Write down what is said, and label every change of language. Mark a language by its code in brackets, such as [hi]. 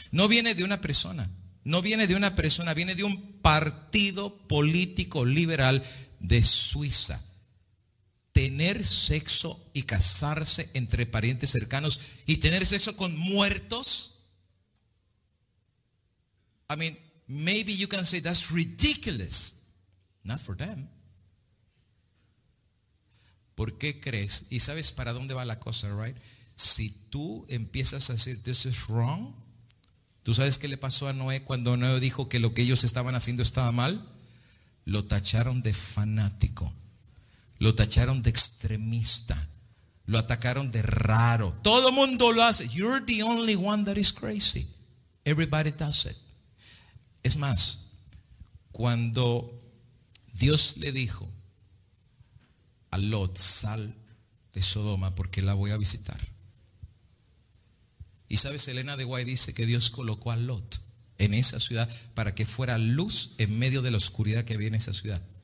[es] No viene de una persona. No viene de una persona. Viene de un partido político liberal de Suiza. Tener sexo y casarse entre parientes cercanos y tener sexo con muertos. [en] I mean, maybe you can say that's ridiculous. Not for them. [es] ¿Por qué crees? Y sabes para dónde va la cosa, right? Si tú empiezas a decir [en] this is wrong, [es] ¿tú sabes qué le pasó a Noé cuando Noé dijo que lo que ellos estaban haciendo estaba mal? Lo tacharon de fanático. Lo tacharon de extremista. Lo atacaron de raro. Todo mundo lo hace. [en] You're the only one that is crazy. Everybody does it. [es] Es más, cuando Dios le dijo a Lot: sal de Sodoma porque la voy a visitar. Y sabes, Elena de Guay dice que Dios colocó a Lot en esa ciudad para que fuera luz en medio de la oscuridad que había en esa ciudad.